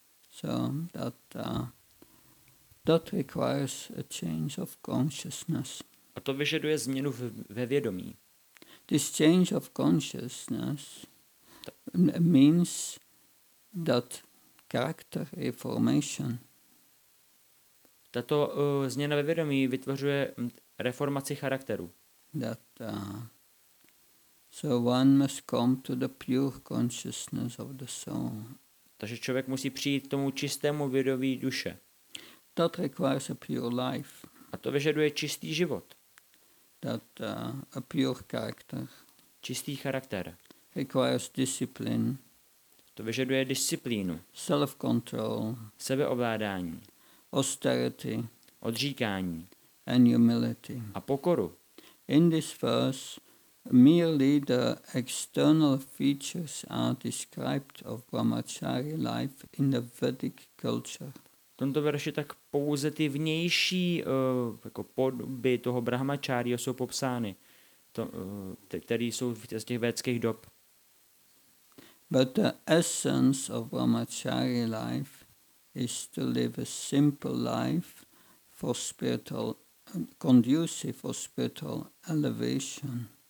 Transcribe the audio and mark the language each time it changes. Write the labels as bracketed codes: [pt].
[en] So that that requires a change of consciousness. [cs] A to vyžaduje změnu ve vědomí. [en] This change of consciousness means that character reformation. [cs] Tato změna ve vědomí vytvořuje reformaci charakteru. [en] That so one must come to the pure consciousness of the soul. [cs] Takže člověk musí přijít k tomu čistému vědomí duše. [en] That requires a pure life. [cs] A to vyžaduje čistý život. [en] That a pure character. [cs] Čistý charakter. [en] Requires discipline. [cs] To vyžaduje disciplínu. [en] Self-control. [cs] Sebeovládání. [en] Austerity. [cs] Odříkání. [en] And humility. [cs] A pokoru. [en] In this verse, merely the external features are described of Brahmachari life in the Vedic culture. [cs] V tomto verši tak pouze ty vnější jako podoby toho Brahmachari jsou popsány, které jsou z těch védských dob. [en] But the essence of Brahmachari life is to live a simple life for spiritual, conducive for spiritual elevation.